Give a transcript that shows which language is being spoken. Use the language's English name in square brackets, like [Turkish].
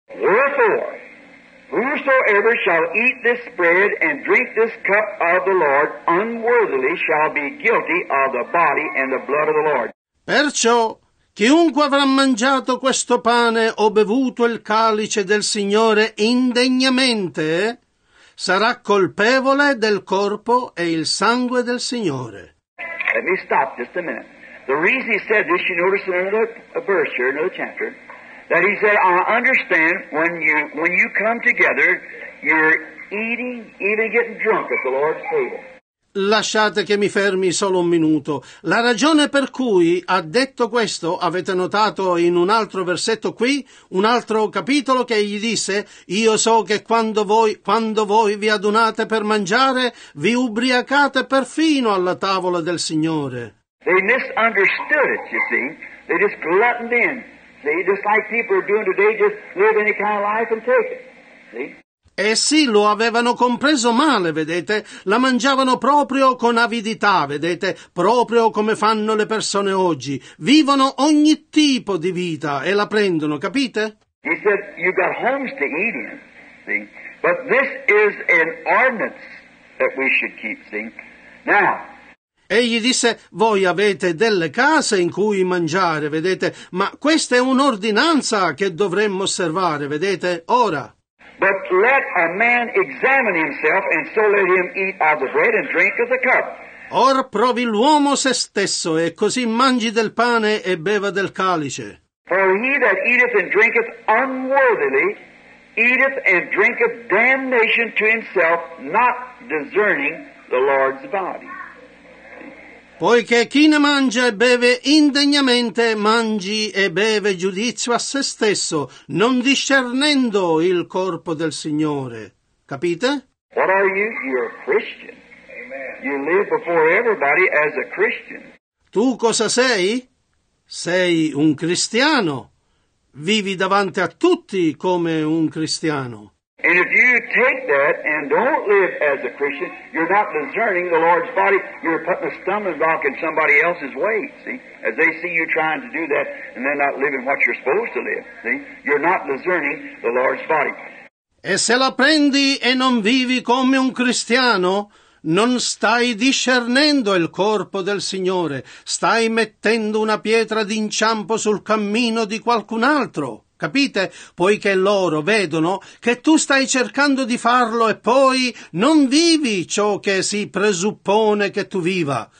[English] Wherefore, whosoever shall eat this bread and drink this cup of the Lord unworthily shall be guilty of the body and the blood of the Lord. [Italian] Perciò, chiunque avrà mangiato questo pane o bevuto il calice del Signore indegnamente, sarà colpevole del corpo e il sangue del Signore. [English] Let me stop just a minute. The reason he said this, you notice in another verse here, another chapter, that he said, I understand when you come together, you're eating, even getting drunk at the Lord's table. [Italian] Lasciate che mi fermi solo un minuto. La ragione per cui ha detto questo, avete notato in un altro versetto qui, un altro capitolo che gli disse, io so che quando voi vi adunate per mangiare, vi ubriacate perfino alla tavola del Signore. [English] They misunderstood it, you see. They just gluttoned in. See, just like people are doing today, just live any kind of life and take it. See? [Italian] Essi lo avevano compreso male, vedete? La mangiavano proprio con avidità, vedete? Proprio come fanno le persone oggi. Vivono ogni tipo di vita e la prendono, capite? [English] He said, you've got homes to eat in, see? But this is an ordinance that we should keep, see? Now, [Italian] egli disse, voi avete delle case in cui mangiare, vedete? Ma questa è un'ordinanza che dovremmo osservare, vedete? Ora, [English] But let a man examine himself, and so let him eat of the bread and drink of the cup. [Italian] Or provi l'uomo se stesso, e così mangi del pane e beva del calice. [English] For he that eateth and drinketh unworthily, eateth and drinketh damnation to himself, not discerning the Lord's body. [Italian] Poiché chi ne mangia e beve indegnamente, mangi e beve giudizio a se stesso, non discernendo il corpo del Signore. Capite? [English] What are you? You're a Christian. You live before everybody as a Christian. [Italian] Tu cosa sei? Sei un cristiano. Vivi davanti a tutti come un cristiano. [English] And if you take that and don't live as a Christian, you're not discerning the Lord's body. You're putting a stumbling block in somebody else's way, see? As they see you trying to do that and they're not living what you're supposed to live, see? You're not discerning the Lord's body. [Italian] E se la prendi e non vivi come un cristiano, non stai discernendo il corpo del Signore, stai mettendo una pietra d'inciampo sul cammino di qualcun altro, capite? Poiché loro vedono che tu stai cercando di farlo e poi non vivi ciò che si presuppone che tu viva.